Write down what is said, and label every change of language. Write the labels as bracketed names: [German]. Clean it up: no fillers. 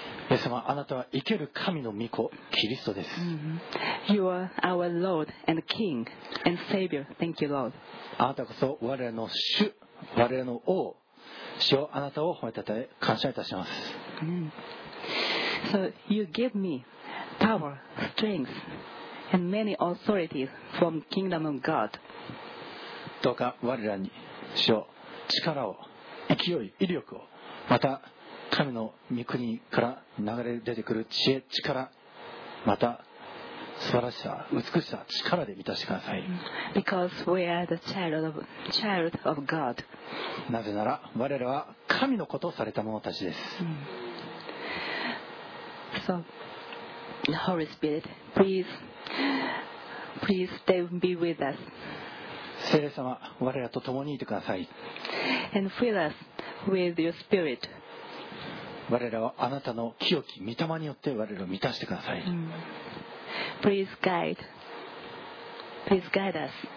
[Japanese] イエス様、あなたは生ける神の御子、キリストです。 [English] You are our Lord and King and Savior. Thank you, Lord. [Japanese] あなたこそ我らの主、我らの王、主よ、あなたを褒めたたえ感謝いたします。 [English] So you give me power, strength, and many authorities from kingdom of God. [Japanese] どうか我らに主よ力を、勢い、威力を、また神の御国から流れ出てくる知恵、力、また素晴らしさ、美しさ、力で満たしてください。 [English] Because we are the child of God. [Japanese] なぜなら我らは神のことをされた者たちです。 [English] So, the Holy Spirit, please stay and be with us. [Japanese] 聖霊様、我らと共にいてください。 [English] And fill us with your Spirit. [Japanese] 我らをあなたの清き御霊によって我らを満たしてください。 [English] Please guide us.